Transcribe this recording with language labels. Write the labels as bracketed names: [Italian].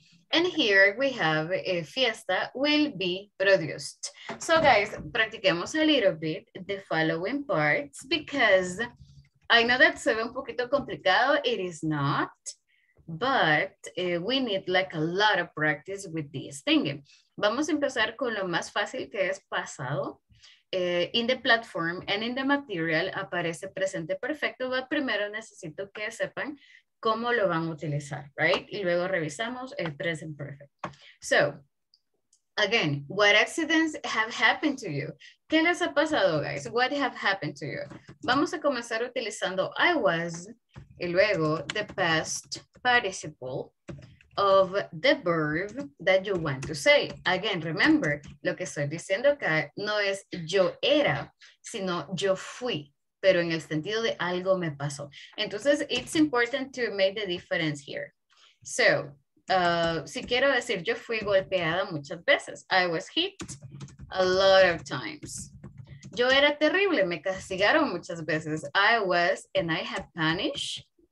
[English] And here we have a fiesta will be produced. So guys, practiquemos a little bit the following parts because I know that [Spanish] se ve un poquito complicado. [English] It is not. But we need like a lot of practice with this thing. [Spanish] Vamos a empezar con lo más fácil que es pasado. [English] In the platform and in the material [Spanish] aparece presente perfecto, but primero necesito que sepan cómo lo van a utilizar, right? Y luego revisamos el present perfect. [English] So, again, what accidents have happened to you? [Spanish] ¿Qué les ha pasado, guys? [English] What have happened to you? [Spanish] Vamos a comenzar utilizando [English] I was y luego the past participle of the verb that you want to say. [Spanish] Again, remember, lo que estoy diciendo acá no es yo era, sino yo fui, pero en el sentido de algo me pasó. [English] Entonces, it's important to make the difference here. [Spanish] So, si quiero decir yo fui golpeada muchas veces, [English] I was hit a lot of times. [Spanish] Yo era terrible, me castigaron muchas veces, [English] I was and I have punished.